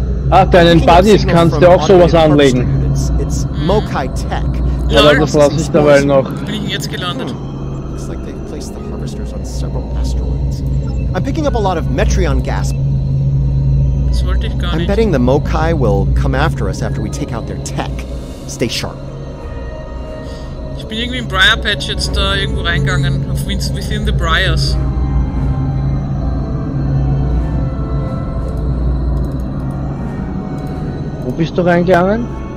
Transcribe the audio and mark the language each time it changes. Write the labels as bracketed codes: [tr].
[de] Ach, deinen Buddies kannst du auch sowas anlegen. [en] It's Mokai Tech. [de] Ja, aber das lasse ich dabei noch. Bin ich jetzt gelandet? [en] Looks like they've placed the harvesters on several asteroids. I'm picking up a lot of Metrion gas. [de] Das wollte ich gar nicht. [en] I'm betting the Mokai will come after us after we take out their tech. Stay sharp. [de] Ich bin irgendwie im Briar Patch jetzt da irgendwo reingegangen. Auf Within the Briars. Wo bist du reingegangen?